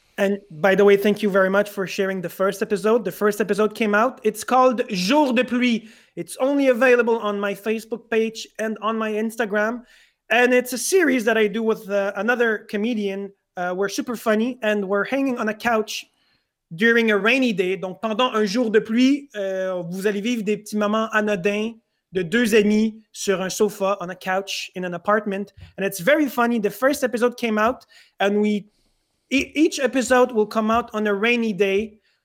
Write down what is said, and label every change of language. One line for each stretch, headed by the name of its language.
English: And by the way, thank you very much for sharing the first episode. The first episode came out. It's called Jour de pluie. It's only available on my Facebook page and on my Instagram. And it's a series that I do with another comedian. We're super funny and we're hanging on a couch during a rainy day.
French: Donc pendant un jour de pluie, vous allez vivre des petits moments anodins de deux amis sur un sofa
English: on a couch in an apartment. And it's very funny. The first episode came out and each episode will come out on a rainy day.